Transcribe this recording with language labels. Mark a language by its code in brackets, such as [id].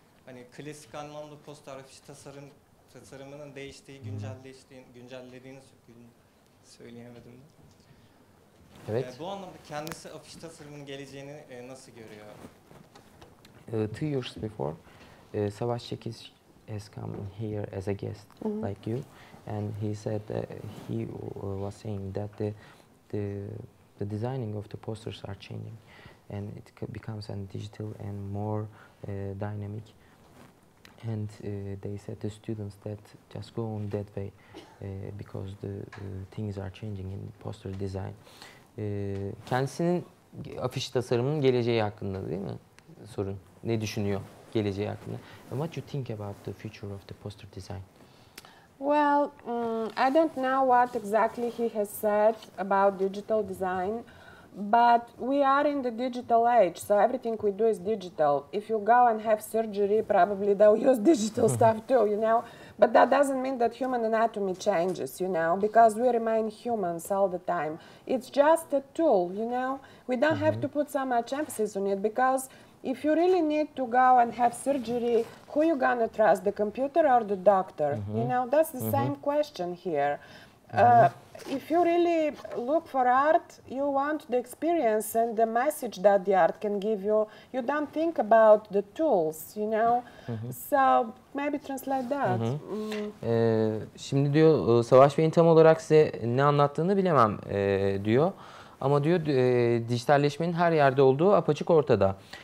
[tr] Hani klasik anlamda poster afiş tasarımının değiştiği, güncellediğini söyleyemedim de. Evet. Bu anlamda kendisi afiş tasarımının geleceğini nasıl görüyor? [en] Two years before, Savaş Çekiç has come here as a guest, mm-hmm. like you, and he said that he was saying that the designing of the posters are changing, and it becomes a digital and more dynamic. And they said to students that just go on that way because the things are changing in poster design. [tr] Kendisinin afiş tasarımının geleceği hakkında değil mi sorun? Ne düşünüyor geleceği hakkında? [en] And what you think about the future of the poster design? Well, I don't know what exactly he has said about digital design. But we are in the digital age, so everything we do is digital. If you go and have surgery, probably they'll use digital stuff too, you know. But that doesn't mean that human anatomy changes, you know, because we remain humans all the time. It's just a tool, you know. We don't mm-hmm. have to put so much emphasis on it, because if you really need to go and have surgery, who you gonna trust, the computer or the doctor? Mm-hmm. You know, that's the mm-hmm. same question here. If you really look for art, you want the experience and the message that the art can give you. You don't think about the tools, you know. Mm-hmm. So maybe translate that. Mm-hmm. [tr] Şimdi diyor Savaş Bey'in tam olarak size ne anlattığını bilemem diyor. Ama diyor dijitalleşmenin her yerde olduğu apaçık ortada.